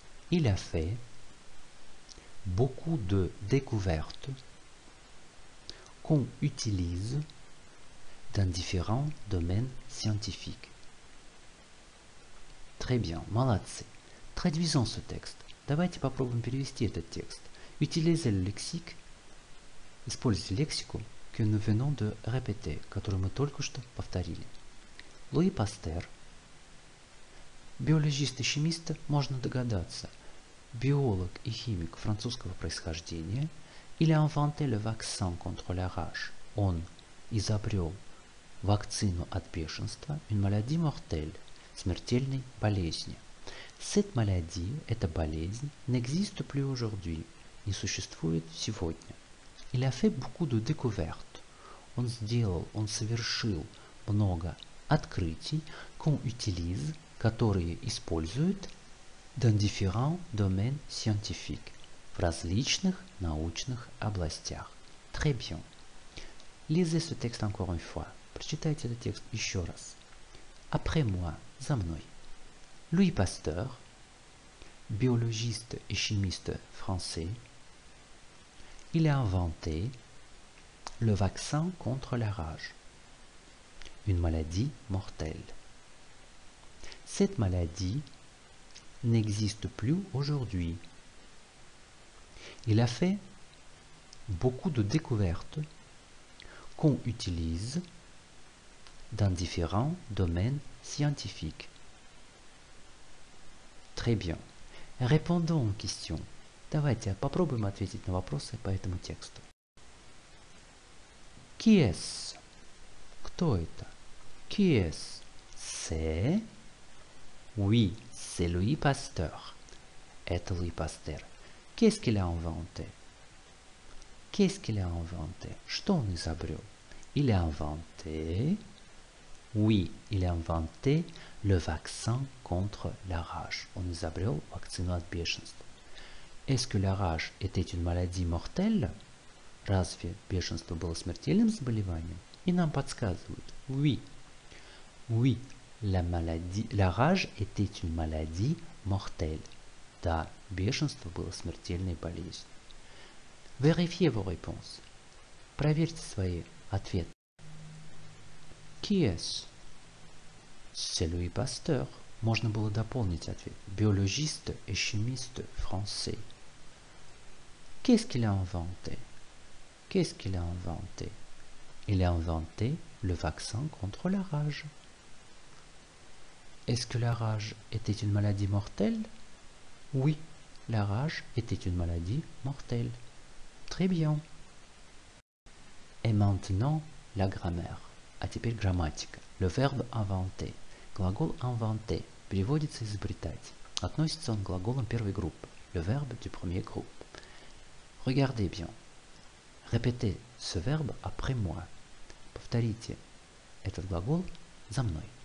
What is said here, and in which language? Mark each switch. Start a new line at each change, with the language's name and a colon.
French: Il a fait beaucoup de découvertes qu'on utilise dans différents domaines scientifiques. Très bien,
Russian: молодцы.
French: Traduisons ce texte.
Russian: Давайте попробуем перевести этот текст.
French: Utilisez le lexique.
Russian: Используйте лексику,
French: que nous venons de répéter,
Russian: которую мы только что повторили. Луи Пастер, биологист и химист, можно догадаться, биолог и химик французского происхождения,
French: il a inventé le vaccin contre la rage.
Russian: Он изобрел вакцину от бешенства,
French: une maladie mortelle,
Russian: смертельной болезни.
French: Cette maladie,
Russian: эта болезнь,
French: n'existe plus aujourd'hui,
Russian: не существует сегодня.
French: Il a fait beaucoup de découvertes.
Russian: Он сделал, он совершил много открытий,
French: qu'on utilise,
Russian: которые используют,
French: dans différents domaines scientifiques,
Russian: в различных научных областях.
French: Très bien. Lisez ce texte encore une fois.
Russian: Прочитайте этот текст еще раз.
French: Après moi,
Russian: за мной.
French: Louis Pasteur,
Russian: биологист и химист
French: français, il a inventé le vaccin contre la rage, une maladie mortelle. Cette maladie n'existe plus aujourd'hui. Il a fait beaucoup de découvertes qu'on utilise dans différents domaines scientifiques. Très bien. Répondons aux questions.
Russian: Давайте попробуем ответить на вопросы по этому тексту.
French: Qui est-ce?
Russian: Кто это?
French: Qui est-ce? C'est... Oui, c'est Louis Pasteur.
Russian: Это Louis Pasteur.
French: Qu'est-ce qu'il a inventé? Qu'est-ce qu'il a inventé?
Russian: Что он изобрел?
French: Il a inventé... Oui, il a inventé le vaccin contre la rage.
Russian: Он изобрел вакцину от бешенства.
French: Est-ce que la rage était une maladie mortelle?
Russian: Разве бешенство было смертельным заболеванием? И нам подсказывают. Oui.
French: Oui, la rage était une maladie mortelle.
Russian: Да, бешенство было смертельной болезнью.
French: Vérifiez vos réponses.
Russian: Проверьте свои ответы.
French: Кес. C'est Louis Pasteur.
Russian: Можно было дополнить ответ. Биологисты и химисты французы.
French: Qu'est-ce qu'il a inventé? Qu'est-ce qu'il a inventé? Il a inventé le vaccin contre la rage. Est-ce que la rage était une maladie mortelle? Oui, la rage était une maladie mortelle. Très bien. Et maintenant, la grammaire.
Russian: А теперь грамматика.
French: Le verbe inventer.
Russian: Глагол inventer переводится изобретать. Относится он к глаголам первой группы.
French: Le verbe du premier groupe. Regardez bien. Répétez ce verbe après moi.
Russian: Повторите этот глагол за мной.